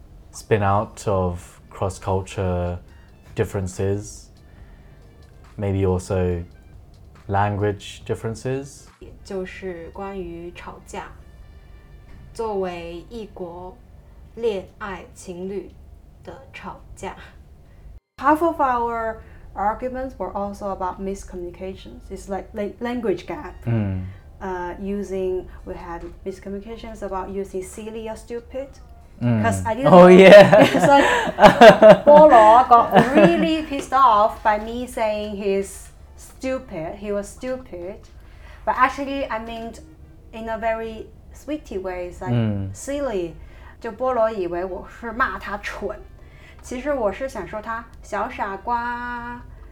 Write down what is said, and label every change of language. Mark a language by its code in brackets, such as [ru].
[en] spin out of cross-culture differences, maybe also language differences. [zh] 就是关于吵架。作为异国恋爱情侣的吵架。 [en] Half of our arguments were also about miscommunications. It's like language gap. Mm. We had miscommunications about using silly or stupid. Because I didn't know. Oh, yeah. It's like, Bolo got really pissed off by me saying he's stupid. He was stupid. But actually, I mean, in a very sweet way, it's like, silly. [zh] 就 Bolo 以为我是骂他蠢。其实我是想说他小傻瓜。